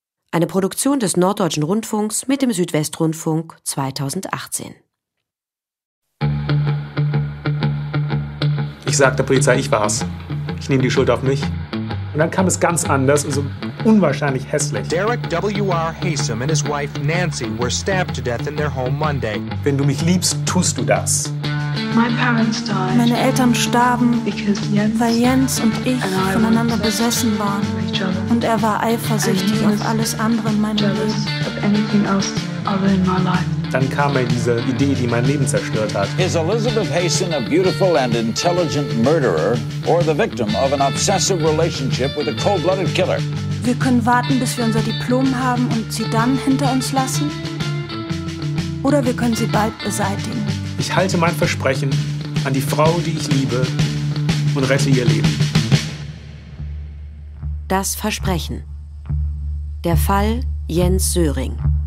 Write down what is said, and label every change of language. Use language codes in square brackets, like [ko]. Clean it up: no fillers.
[de] Eine Produktion des Norddeutschen Rundfunks mit dem Südwestrundfunk 2018. Ich sagte der Polizei, ich war's. Ich nehme die Schuld auf mich. Und dann kam es ganz anders, also unwahrscheinlich hässlich. [en] Derek W.R. Haysom and his wife Nancy were stabbed to death in their home Monday. [de] Wenn du mich liebst, tust du das. Meine Eltern starben, weil Jens und ich voneinander besessen waren. Und er war eifersüchtig auf alles andere in meinem Leben. Dann kam mir diese Idee, die mein Leben zerstört hat. [en] Is Elizabeth Haysom a beautiful and intelligent murderer or the victim of an obsessive relationship with a cold-blooded killer? [de] Wir können warten, bis wir unser Diplom haben und sie dann hinter uns lassen. Oder wir können sie bald beseitigen. Ich halte mein Versprechen an die Frau, die ich liebe, und rette ihr Leben. Das Versprechen. Der Fall Jens Söring.